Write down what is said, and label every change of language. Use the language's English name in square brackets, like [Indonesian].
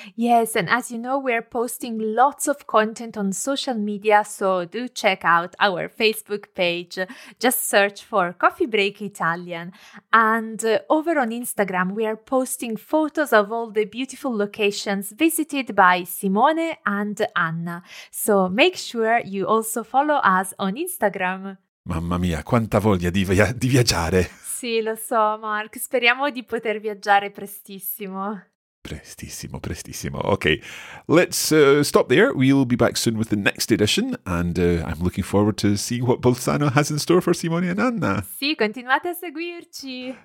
[English] Yes, and as you know, we're posting lots of content on social media, so do check out our Facebook page. Just search for Coffee Break Italian. And over on Instagram, we are posting photos of all the beautiful locations visited by Simone and Anna. So make sure you also follow us on Instagram. [Italian] Mamma mia, quanta voglia di viaggiare! Sì, lo so, Mark. Speriamo di poter viaggiare prestissimo. Prestissimo, prestissimo. [English] Okay, let's stop there. We'll be back soon with the next edition. And I'm looking forward to seeing what Bolzano has in store for Simone and Anna. [Italian] Sì, continuate a seguirci.